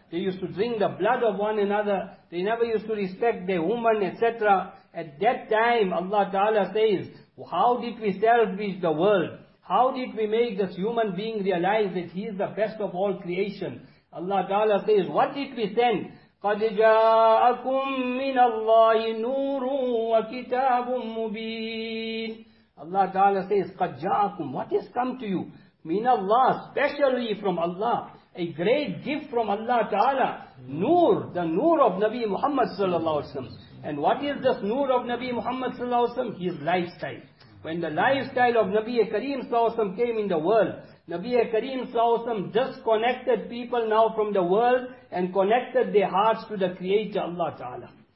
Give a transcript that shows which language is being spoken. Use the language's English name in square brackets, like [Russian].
[English] They used to drink the blood of one another. They never used to respect their woman, etc. At that time, Allah Ta'ala says, how did we salvage the world? How did we make this human being realize that he is the best of all creation? Allah Ta'ala says, what did we send? [Arabic] قَدْ جَاءَكُمْ مِنَ اللَّهِ نُورٌ وَكِتَابٌ مُبِينٌ [English] Allah Ta'ala says, [Arabic] قَدْ جَاءَكُمْ [English] What has come to you? [Arabic] مِنَ اللَّهِ [English] Specially from Allah. A great gift from Allah Ta'ala. Noor, the noor of Nabi Muhammad sallallahu alaihi wasallam. And what is this noor of Nabi Muhammad sallallahu alaihi wasallam? His lifestyle. When the lifestyle of Nabi Kareem sallallahu alaihi wasallam came in the world, Nabi Kareem sallallahu alaihi wasallam disconnected people now from the world and connected their hearts to the Creator Allah Ta'ala.